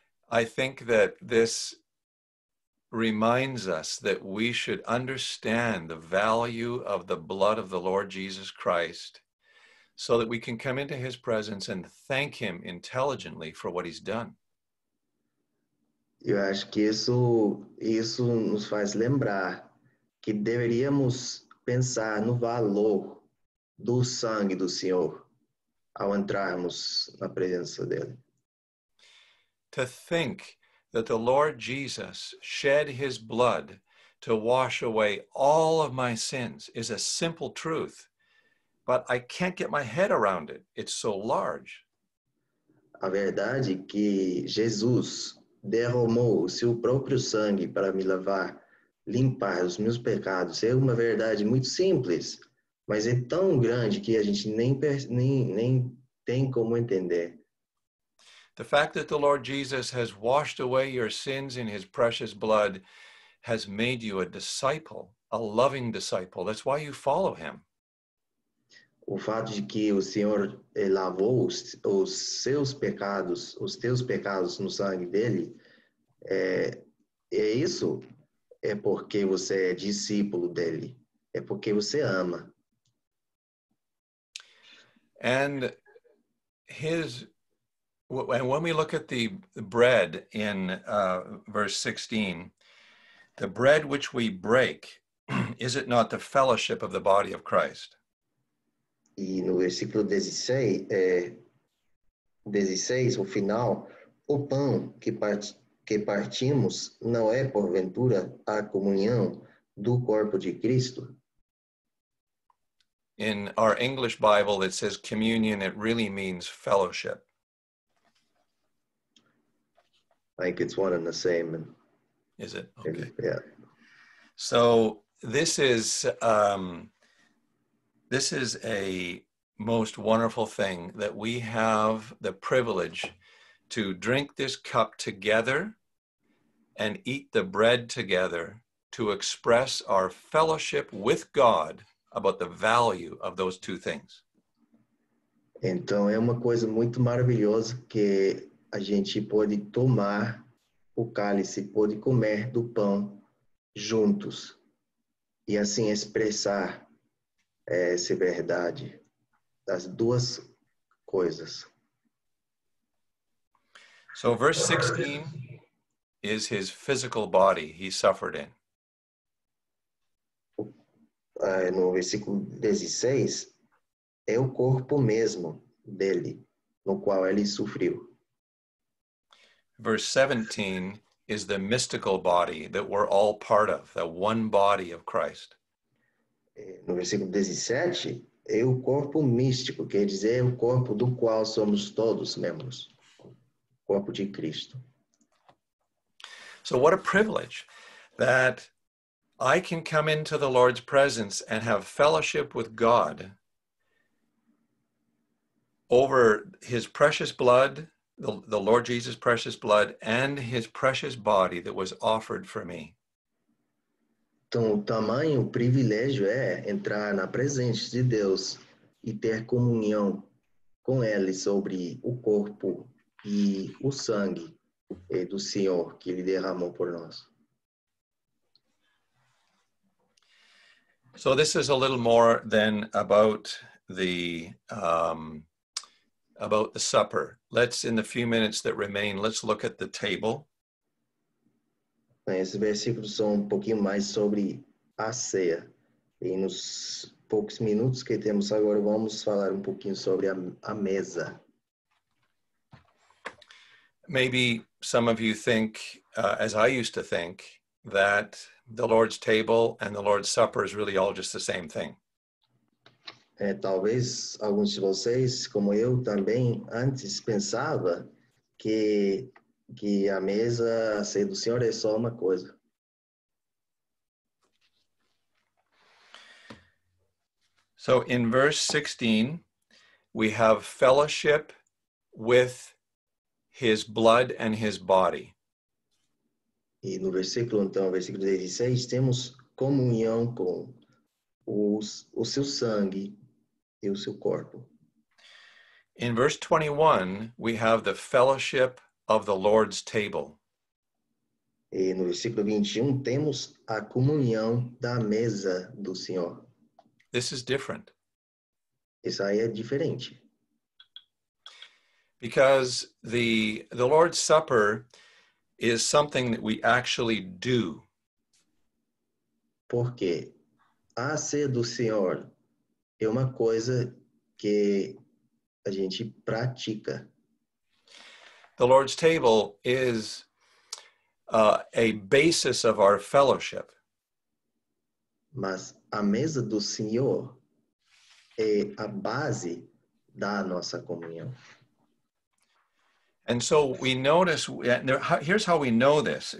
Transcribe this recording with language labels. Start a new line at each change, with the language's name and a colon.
English: I think that this reminds us that we should understand the value of the blood of the Lord Jesus Christ so that we can come into his presence and thank him intelligently for what he's done.
Portuguese: Eu acho que isso nos faz lembrar que deveríamos pensar no valor do sangue do Senhor ao entrarmos na presença dele.
English: To think that the Lord Jesus shed his blood to wash away all of my sins is a simple truth, but I can't get my head around it. It's so large.
Portuguese: A verdade é que Jesus derramou o seu próprio sangue para me lavar, limpar os meus pecados. É uma verdade muito simples, mas é tão grande que a gente nem tem como entender.
English: The fact that the Lord Jesus has washed away your sins in his precious blood has made you a disciple, a loving disciple. That's why you follow him.
Portuguese: O fato de que o Senhor lavou os teus pecados no sangue dele, é isso. É porque você é discípulo dele. É porque você ama.
English: And and when we look at the bread in verse 16, the bread which we break, is it not the fellowship of the body of Christ?
Portuguese: E no versículo 16, o final, o pão que partimos não é porventura a comunhão do corpo de Cristo?
English: In our English Bible, it says communion, it really means fellowship. I think it's one and the same. Is it? Okay. Yeah. So this is a most wonderful thing that we have the privilege to drink this cup together and eat the bread together to express our fellowship with God about the value of those two things.
Portuguese: Então é uma coisa muito maravilhosa que a gente pode tomar o cálice, pode comer do pão juntos e assim expressar essa verdade das duas coisas.
English: So verse 16 is his physical body he suffered in.
Portuguese: No versículo 16 é o corpo mesmo dele no qual ele sofreu.
English: Verse 17 is the mystical body that we're all part of, the one body of Christ.
Portuguese: No versículo 17, é o corpo místico, quer dizer, é o corpo do qual somos todos membros, o corpo de Cristo.
English: So what a privilege that I can come into the Lord's presence and have fellowship with God over his precious blood, the Lord Jesus' precious blood and his precious body that was offered for me.
Portuguese: Então, o tamanho, o privilégio é entrar na presença de Deus e ter comunhão com ele sobre o corpo e o sangue do Senhor que ele derramou por nós.
English: So this is a little more than about the about the supper. Let's, in the few minutes that remain, let's look at the table.
Portuguese: Esses versículos são um pouquinho mais sobre a ceia. E nos poucos minutos que temos agora, vamos falar um pouquinho sobre a mesa.
English: Maybe some of you think, as I used to think, that the Lord's table and the Lord's supper is really all just the same thing.
Portuguese: Talvez alguns de vocês, como eu também, antes pensava que a mesa ser do Senhor é só uma coisa.
English: So in verse 16, we have fellowship with his blood and his body.
Portuguese: E no versículo, então, versículo 16, temos comunhão com o seu sangue e o seu corpo.
English: In verse 21, we have the fellowship of the Lord's table.
Portuguese: E no versículo 21, temos a comunhão da mesa do Senhor.
English: This is different.
Portuguese: Isso aí é diferente.
English: Because the Lord's Supper is something that we actually do.
Portuguese: Porque a ceia do Senhor é uma coisa que a gente pratica.
English: The Lord's table is a basis of our fellowship.
Portuguese: Mas a mesa do Senhor é a base da nossa comunhão.
English: And so we notice, here's how we know this.